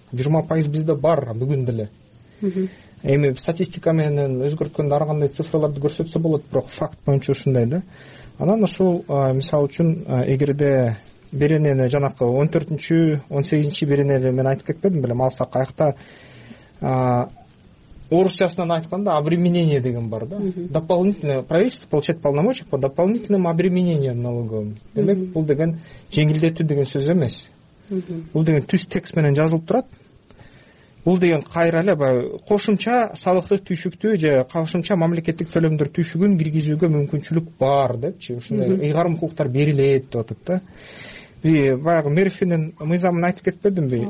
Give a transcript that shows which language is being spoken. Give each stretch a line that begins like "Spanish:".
Kyrgyz: 20% бизде бар бүгүн деле. Эми статистика менен өзгөрткөндө ар кандай цифраларды көрсөтсө болот, бирок факт боюнча ушундай да. Анан ушул мисалы үчүн эгерде беренени жанакы 14-18 беренени мен айтып кетпедим белем, алсак каякта орусчасынан айтканда обременение деген бар да.
Russian: Дополнительно правительство получает полномочия по дополнительному обременению налоговым.
Kyrgyz: Демек бул деген жеңилдетүү деген сөз эмес. Бул деген түз текст менен жазылып турат. Бул деген кайра эле баягы кошумча салыкты түйшүктү же кошумча мамлекеттик төлөмдөр түйшүгүн киргизүүгө мүмкүнчүлүк бар депчи. Ушундай ыйгарым укуктар берилет деп атат да. Баягы Мерфинин мыйзамын айтып кетпедимби?